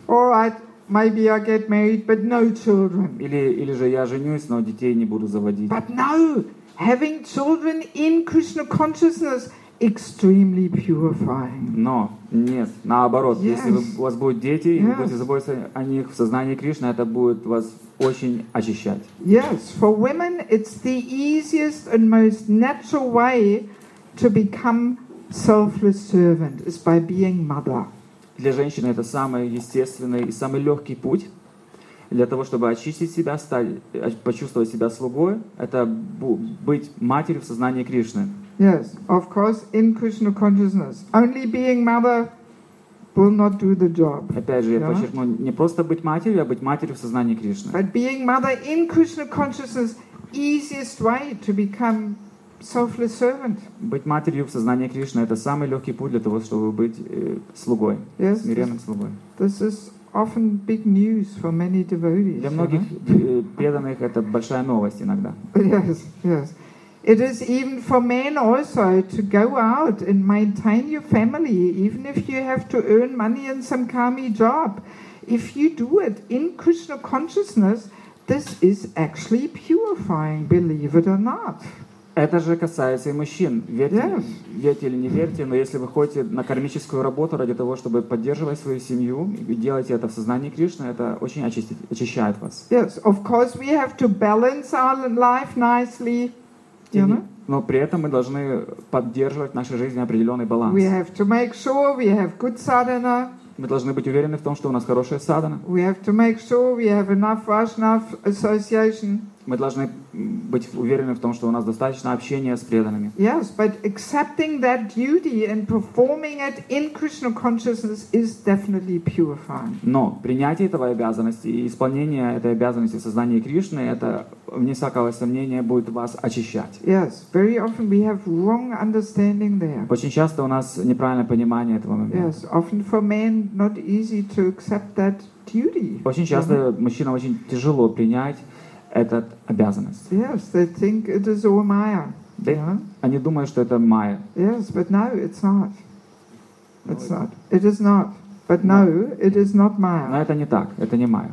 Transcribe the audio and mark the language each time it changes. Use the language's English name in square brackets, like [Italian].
[English] All right, maybe I get married, but no children. [Russian] Или же я женюсь, но детей не буду заводить. [English] But no, having children in Krishna consciousness. Extremely purifying. [Russian] Но нет, наоборот, yes. Если у вас будут дети, yes. И вы будете заботиться о них в сознании Кришны, это будет вас очень очищать. [English] Yes, for women it's the easiest and most natural way to become selfless servant is by being mother. [Russian] Для женщины это самый естественный и самый легкий путь. Для того, чтобы очистить себя, почувствовать себя слугой, это быть матерью в сознании Кришны. [English] Yes, of course, in Krishna consciousness. Only being mother will not do the job. [Russian] Опять же, я подчеркну, не просто быть матерью, а быть матерью в сознании Кришны. [English] But being mother in Krishna consciousness, easiest way to become selfless servant. [Russian] Быть матерью в сознании Кришны – это самый легкий путь для того, чтобы быть слугой, yes, смиренным слугой. [English] This is often big news for many devotees. [Russian] Для многих преданных это большая новость иногда. Yes, yes. [English] It is even for men also to go out and maintain your family, even if you have to earn money in some kami job. If you do it in Krishna consciousness, this is actually purifying, believe it or not. [Russian] Это же касается и мужчин. Верьте или не верьте, но если вы ходите на кармическую работу ради того, чтобы поддерживать свою семью, и делаете это в сознании Кришны, это очень очищает вас. [English] Yes, of course we have to balance our life nicely. [Russian] Но при этом мы должны поддерживать в нашей жизни определенный баланс. [English] We have to make sure we have good sadhana. [Russian] Мы должны быть уверены в том, что у нас хорошая садхана. [English] We have to make sure we have enough Vaishnav association. [Russian] Мы должны быть уверены в том, что у нас достаточно общения с преданными. [English] Yes, but accepting that duty and performing it in Krishna consciousness is definitely purifying. [Russian] Но принятие этого обязанности и исполнение этой обязанности в сознании Кришны, это, вне всякого сомнения, будет вас очищать. [English] Yes, very often we have wrong understanding there. [Russian] Очень часто у нас неправильное понимание этого момента. [English] Yes, often for men not easy to accept that duty. [Russian] Очень часто мужчинам очень тяжело принять это обязанность. [English] Yes, they think it is all Maya. [Russian] Они думают, что это Maya. [English] Yes, but no, it's not. It's not. It is not. But no, it is not Maya. [Russian] Но это не так. Это не Maya.